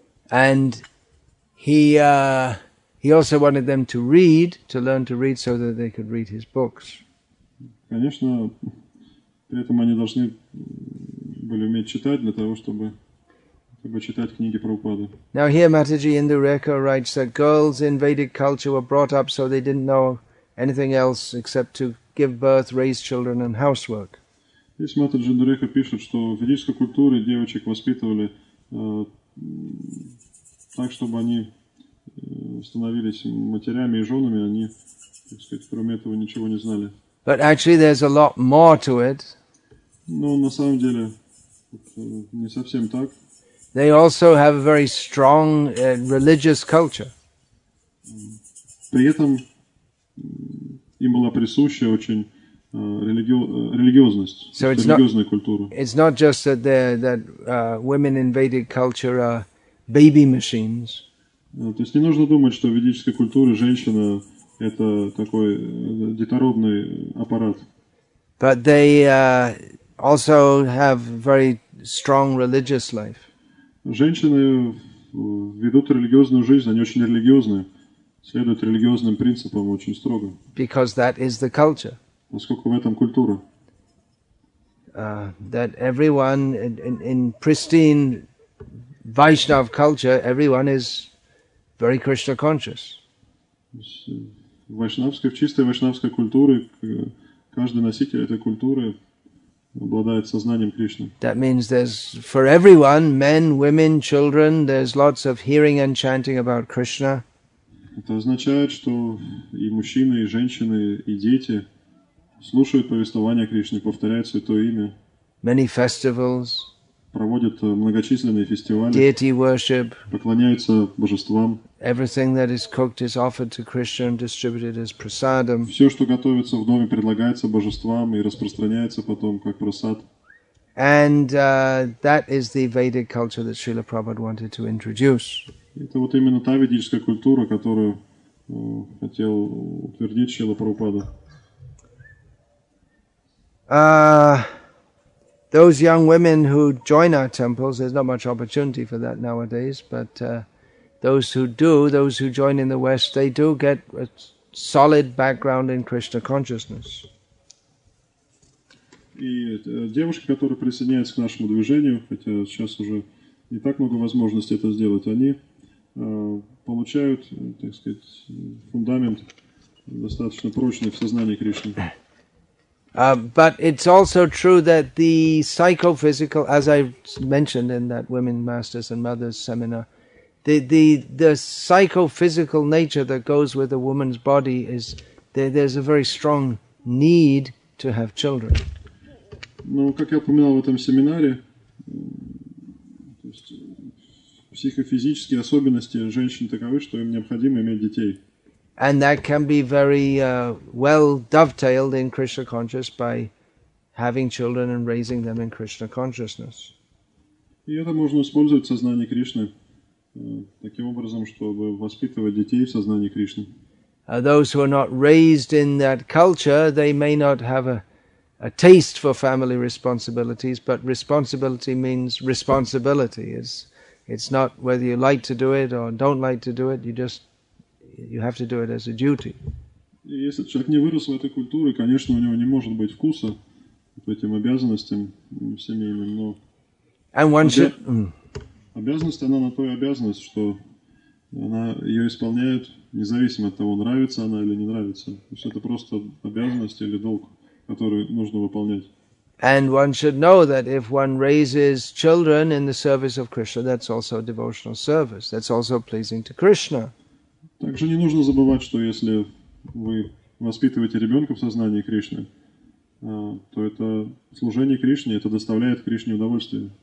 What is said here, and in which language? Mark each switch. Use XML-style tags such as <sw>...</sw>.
<en>And he also wanted them to read, to learn to read, so that they could read his books.</en> <ru>Конечно, при этом они должны были уметь читать для того, чтобы читать книги Прабхупады.</ru> <en>Now here Mataji Indureka writes that girls in Vedic culture were brought up so they didn't know anything else except to give birth, raise children and housework.</en> <ru>Здесь Матаджи Индуреха пишет, что в ведической культуре девочек воспитывали так, чтобы они становились матерями и женами, они, так сказать, кроме этого ничего не знали.</ru> <en>But actually there's a lot more to it.</en> <ru>Но на самом деле не совсем так.</ru> <en>They also have a very strong religious culture.</en> <ru>При этом им была присуща очень религиозность,</ru> <en>so</en> <ru>религиозная культура.</ru> <en>It's not just that women in Vedic culture are baby machines.</en> <ru>То есть не нужно думать, что в ведической культуре женщина это такой детородный аппарат.</ru> <en>But they also have very strong religious life.</en> <ru>Женщины ведут религиозную жизнь, они очень религиозные, следуют религиозным принципам очень строго.</ru> <en>Because that is the culture.</en> <ru>Насколько в этом культура.</ru> <en>That everyone in pristine Vaishnav culture, everyone is very Krishna conscious.</en> <ru>В чистой вайшнавской культуре каждый носитель этой культуры обладает сознанием Кришны.</ru> <en>That means there's for everyone, men, women, children, there's lots of hearing and chanting about Krishna.</en> <ru>Это означает, что и мужчины, и женщины, и дети слушают повествование Кришны, повторяют Святое Имя.</ru> <en>Many festivals.</en> <ru>Проводят многочисленные фестивали.</ru> <en>Deity worship.</en> <ru>Поклоняются божествам.</ru> <en>Everything that is cooked is offered to Krishna and distributed as prasadam.</en> <ru>Все, что готовится в доме, предлагается божествам и распространяется потом как прасад.</ru> <en>And that is the Vedic culture that Srila Prabhupada wanted to introduce.</en> <ru>Это вот именно та ведическая культура, которую хотел утвердить Шрила Прабхупада.</ru> <en>Those young women who join our temples, there's not much opportunity for that nowadays, but those who join in the West, they do get a solid background in Krishna consciousness.</en> <ru>И девушки, которые присоединяются к нашему движению, хотя сейчас уже не так много возможностей это сделать, они получают, так сказать, фундамент достаточно прочный в сознании Кришны.</ru> <en>But it's also true that the psychophysical, as I mentioned in that Women Masters and Mothers seminar, the psychophysical nature that goes with a woman's body is there's a very strong need to have children.</en> <ru>Ну, как я упоминал в этом семинаре, то есть психофизические особенности женщин таковы, что им необходимо иметь детей.</ru> <en>And that can be very well dovetailed in Krishna conscious by having children and raising them in Krishna consciousness.</en> <ru>И это можно использовать в сознании Кришны таким образом, чтобы воспитывать детей в сознании Кришны.</ru> <en>Those who are not raised in that culture, they may not have a taste for family responsibilities, but responsibility means responsibility. It's not whether you like to do it or don't like to do it, you have to do it as a duty.</en> <ru>Если человек не вырос в этой культуре, конечно, у него не может быть вкуса к этим обязанностям семейным, но...</ru> <en>And once</en> <ru>обязанность, она на то и обязанность, что она ее исполняет независимо от того, нравится она или не нравится. То есть это просто обязанность или долг, который нужно выполнять.</ru> <en>And one should know that if one raises children in the service of Krishna, that's also a devotional service, that's also pleasing to Krishna.</en> <ru>Также не нужно забывать, что если вы воспитываете ребенка в сознании Кришны, то это служение Кришне, это доставляет Кришне удовольствие.</ru>